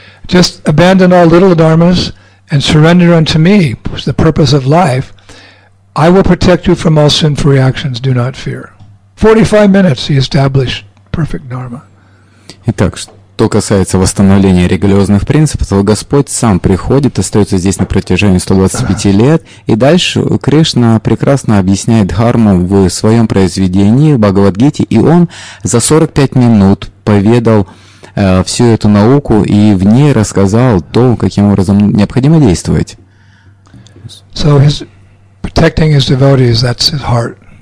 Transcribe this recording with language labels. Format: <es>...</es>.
<en>Just abandon all little dharmas and surrender unto me, which is the purpose of life. I will protect you from all sinful reactions, do not fear. 45 minutes he established perfect dharma.</en> <ru>Итак, что касается восстановления религиозных принципов, то Господь сам приходит, остается здесь на протяжении 125 лет, и дальше Кришна прекрасно объясняет дхарму в своем произведении, в Бхагавадгите, и он за 45 минут поведал всю эту науку и в ней рассказал то, каким образом необходимо действовать.</ru> <en>So his, protecting his devotees, that's his heart.</en>